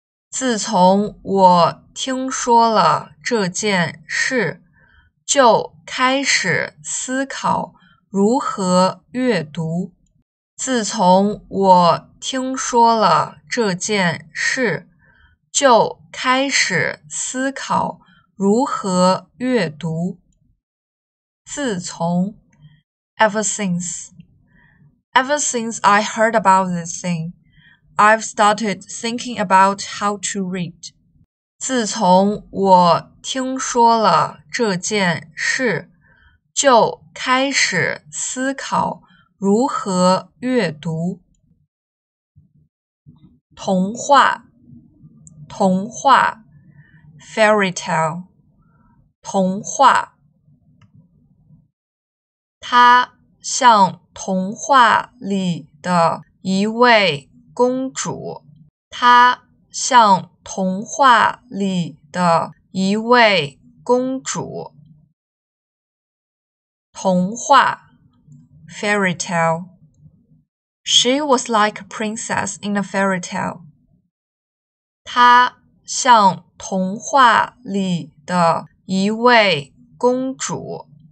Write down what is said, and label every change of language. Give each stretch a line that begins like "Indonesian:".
Chinese: 自从我听说了这件事，就开始思考如何阅读。自从我听说了这件事，就开始思考如何阅读。
English: 自从 ，ever since， ever since I heard about this thing。 I've started thinking about how to read.
Chinese: 自从我听说了这件事，就开始思考如何阅读。童话，童话 ，
English: fairy tale，
Chinese: 童话。他像童话里的一位公主，她像童话里的一位公主。
English: 童话 Fairy tale. She was like a princess in a fairy tale.
Chinese: 她像童话里的一位公主。